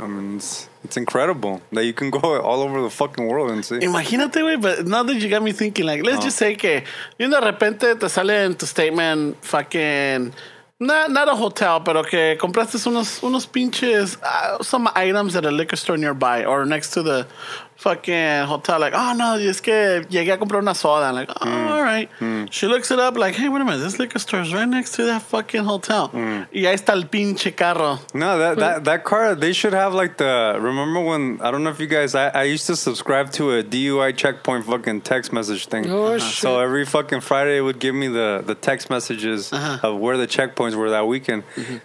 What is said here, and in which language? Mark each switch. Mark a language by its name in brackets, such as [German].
[English] I mean, it's incredible that you can go all over the fucking world and see. [Spanish] Imagínate, güey, [English] but now that you got me thinking, like, let's just say [Spanish] que, [English] you know, [Spanish] de repente te sale en tu [English] statement, fucking. Not a hotel, but okay, [Spanish] compraste unos pinches, [English] some items at a liquor store nearby or next to the fucking hotel. [Spanish] Like, oh, no, es que llegué a comprar una soda. [English] I'm like, oh, all right. She looks it up like, hey, wait a minute, this liquor store is right next to that fucking hotel. [Spanish] Y ahí está el pinche carro. [English] No, that car, they should have like the, remember when, I don't know if you guys, I used to subscribe to a DUI checkpoint fucking text message thing. Oh, shit. So every fucking Friday it would give me the text messages of where the checkpoints were that weekend. Mm-hmm.